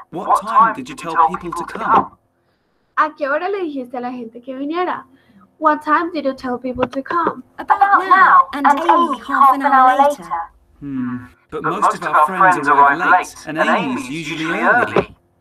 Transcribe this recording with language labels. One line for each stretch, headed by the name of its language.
English: What time did you tell people to come?
Spanish: ¿A qué hora le dijiste a la gente que viniera?
English: What time did you tell people to come? About now and Amy half an hour later. But most of our friends arrive late, and Amy's usually early.